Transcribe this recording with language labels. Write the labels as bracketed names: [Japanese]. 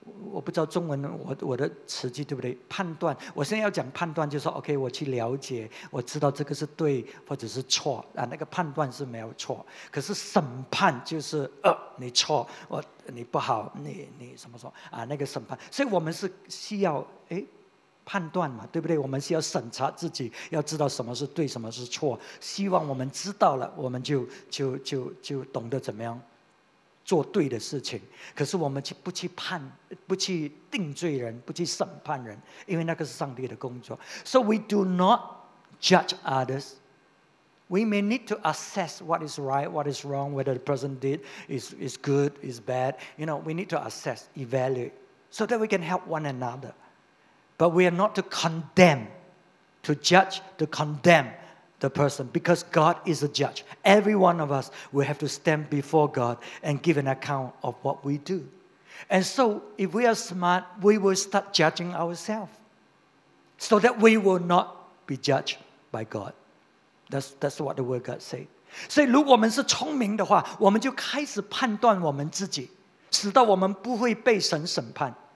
[Chinese] 我不知道中文，我的词句对不对？判断，我现在要讲判断，就是说OK，我去了解，我知道这个是对或者是错啊。那个判断是没有错，可是审判就是你错，你不好，你什么说啊？那个审判，所以我们是需要判断嘛，对不对？我们是要审查自己，要知道什么是对，什么是错，希望我们知道了，我们就懂得怎么样做对的事情。可是我们去不去判，不去定罪人，不去审判人，因为那个是上帝的工作。 [English] So we do not judge others. We may need to assess what is right, what is wrong, whether the person did is good, is bad. You know, we need to assess, evaluate, so that we can help one another. But we are not to condemn, to judge, to condemn the person, because God is a judge. Every one of us will have to stand before God and give an account of what we do. And so, if we are smart, we will start judging ourselves, so that we will not be judged by God. That's what the word God say. [Chinese] 所以，如果我们是聪明的话，我们就开始判断我们自己，使得我们不会被神审判。